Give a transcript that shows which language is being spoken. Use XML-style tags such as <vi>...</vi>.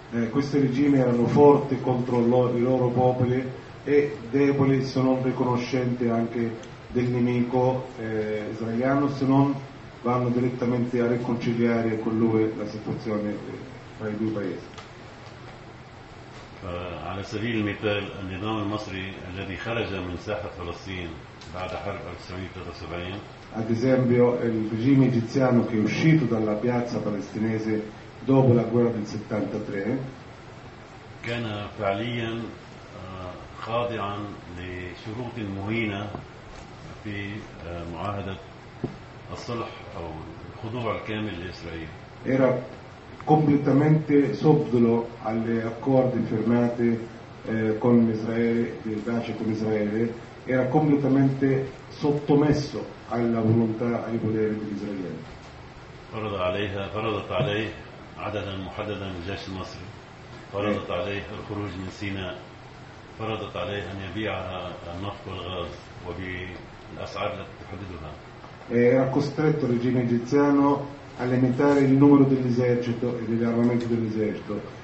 <it>Questi regimi erano forti contro i loro popoli e deboli, se non riconoscenti anche del nemico israeliano, se non vanno direttamente a riconciliare con lui la situazione tra i due paesi.</it> <ar>على سبيل المثال النظام المصري الذي خرج من ساحة فلسطين بعد حرب 1973</ar> <it>ad esempio il regime egiziano che è uscito dalla piazza palestinese dopo la guerra del 73</it> <ar>كان فعليا خاضعا لشروط مهينة في معاهدة الصلح او الخضوع الكامل لإسرائيل</ar> <it>era completamente subdolo alle accordi firmate con Israele, di pace con Israele, era completamente sottomesso alla volontà, ai poteri degli israeliani.</it> <ar>فرضت عليه عددا محددا من الجيش المصري. فرضت عليه الخروج من سيناء. فرضت عليه ان يبيع النفط والغاز وبالاسعار التي تحددها.</ar> <it>Era costretto il regime egiziano a limitare il numero dell'esercito e dell'armamento dell'esercito.</it>